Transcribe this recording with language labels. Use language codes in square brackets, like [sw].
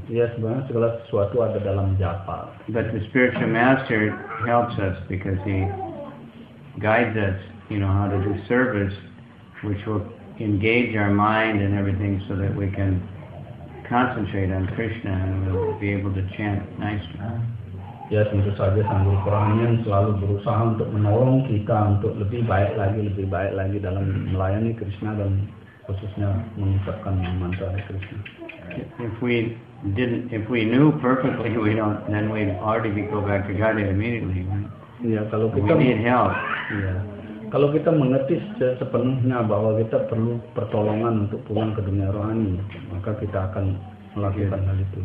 [id] Yes, banyak segala sesuatu ada dalam japa. [en] But the spiritual master helps us because he guides us, you know, how to do service, which will engage our mind and everything so that we can concentrate on Krishna and we'll be able to chant nicely. [id] Yes, tentu saja sang guru kerohanian selalu berusaha untuk menolong kita untuk lebih baik lagi dalam melayani Krishna dan khususnya mengucapkan mantra Hare Krishna. [en] If we knew perfectly, then we'd already go back to Godhead immediately, right? [id] Yeah, kalau kita [en] we need help. Yeah. [id] kalau kita mengerti sepenuhnya bahwa kita perlu pertolongan untuk pulang ke dunia rohani, maka kita akan melakukan hal itu.